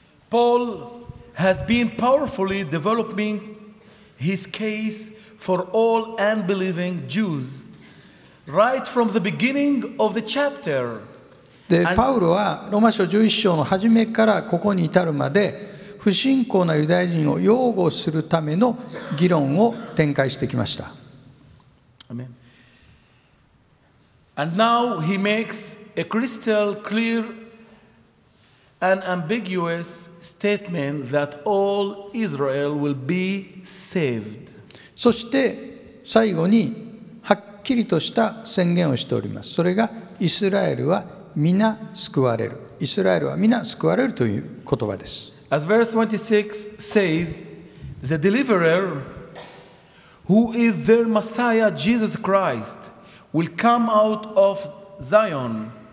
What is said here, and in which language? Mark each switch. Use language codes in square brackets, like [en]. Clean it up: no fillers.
[en] Paul has been powerfully developing his case for all unbelieving Jews. Right from the beginning of the chapter. [ja] で、パウロはローマ書11章の初めからここに至るまで不信仰なユダヤ人を擁護するための議論を展開してきました。 [en] Amen. And now he makes a crystal clear and ambiguous statement that all Israel will be saved. [ja] そして最後にはっきりとした宣言をしております。それがイスラエルは皆救われる、イスラエルは皆救われるという言葉です。 [en] As verse 26 says, the deliverer who is their Messiah Jesus Christ will come out of Zion.